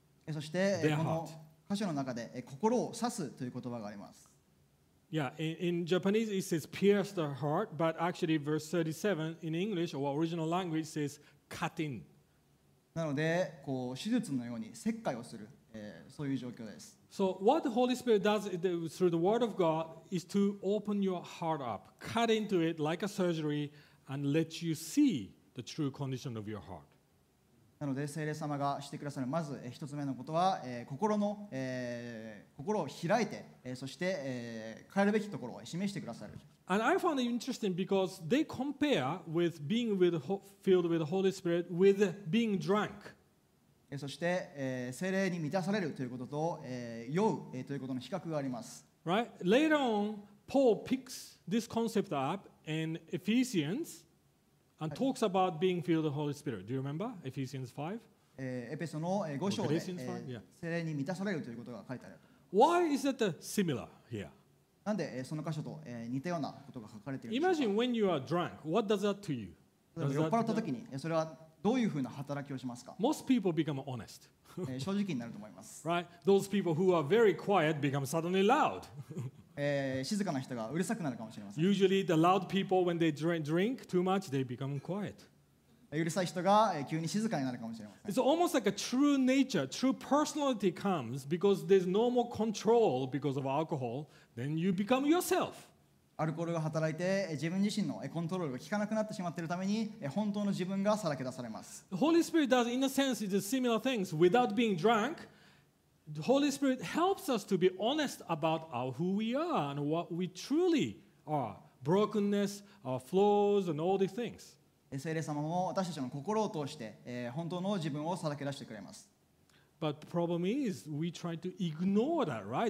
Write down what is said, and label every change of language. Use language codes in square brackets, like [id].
[ja] そして、 [en] their heart. [ja] 歌詞の中で心を刺すという言葉があります。 [en] Yeah, in Japanese it says pierce the heart, but actually verse 37 in English or original language says cut in. [ja] なので、こう手術のように切開をする、そういう状況です。 [en] So what the Holy Spirit does through the Word of God is to open your heart up, cut into it like a surgery, and let you see the true condition of your heart. [ja] なので聖霊様がしてくださるまず一つ目のことは心の心を開いてそして変えるべきところを示してくださる。 [en] And I found it interesting because they compare with being filled with the Holy Spirit with being drunk. [ja] そして聖霊に満たされるということと酔うということの比較があります。 [en] Right? Later on, Paul picks this concept up in Ephesians.And talks about being filled with the Holy Spirit. Do you remember Ephesians 5? [ja] エペソの5章で聖霊に満たされるということが書いてある。 [en] Why is that similar here? [ja] なんでその箇所と似たようなことが書かれているんでしょうか。 [en] Imagine when you are drunk, what does that to you? [ja] 酔っ払った時にそれはどういうふうな働きをしますか。 [en] Most people become honest. [ja] 正直になると思います。 [en] Right? Those people who are very quiet become suddenly loud. [ja] 静かな人がうるさくなるかもしれません。 [en] Usually the loud people when they drink too much, they become quiet. [ja] うるさい人が急に静かになるかもしれません。 [en] It's almost like a true nature, true personality comes because there's no more control because of alcohol. Then you become yourself. [ja] アルコールが働いて自分自身のコントロールが効かなくなってしまっているために本当の自分がさらけ出されます。 [en] Holy Spirit does, in a sense, is similar things. Without being drunk, the Holy Spirit helps us to be honest about our who we are and what we truly are. Brokenness, our flaws, and all these things. [ja] 聖霊様も私たちの心を通して本当の自分をさらけ出してくれます。 [en] But the problem is, we try to ignore that, right?